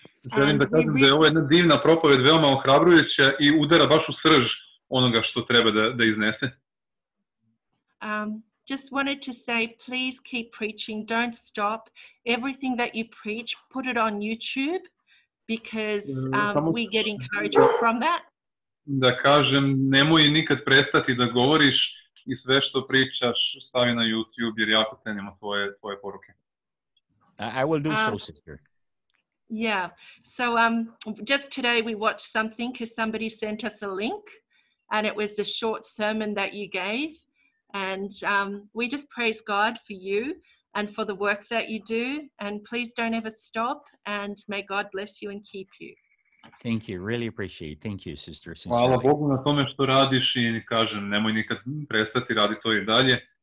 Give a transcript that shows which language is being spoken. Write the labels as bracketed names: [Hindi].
[Serbian] Želim da kažem da je ovo jedna divna propoved, veoma ohrabrujuća i udara baš u srž onoga što treba da iznese. [English] Just wanted to say, please keep preaching, don't stop. Everything that you preach, put it on YouTube, because we get encouragement from that. [Serbian] Da kažem, nemoj nikad prestati da govoriš i sve što pričaš stavi na YouTube, jer jako cenimo tvoje poruke. [English] I will do so, sister. Yeah, so just today we watched something because somebody sent us a link and it was the short sermon that you gave. And we just praise God for you and for the work that you do. And please don't ever stop and may God bless you and keep you. Thank you, really appreciate it. Thank you, sister. [Serbian] Hvala Bogu na tome što radiš i kažem, nemoj nikad prestati, radi to i dalje.